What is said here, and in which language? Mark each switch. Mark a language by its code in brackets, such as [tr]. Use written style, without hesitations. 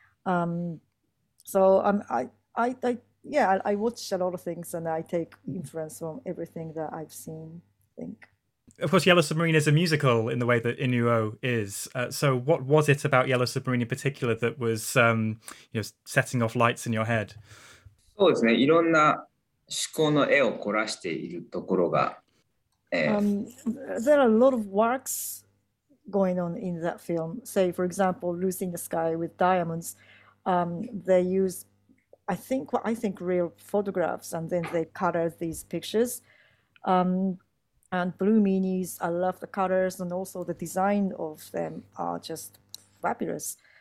[en] I watch a lot of things, and I take influence from everything that I've seen, I think. Of course, Yellow Submarine is a musical in the way that Inuo is. So what was it about Yellow Submarine in particular that was setting off lights in your head? [ja] そうですね。いろんな思考の絵を凝らしているところが、 [en] There are a lot of works going on in that film. Say, for example, Losing the Sky with Diamonds. They use, I think real photographs, and then they color these pictures. And Blue Meanies, I love the colors, and also the design of them are just fabulous.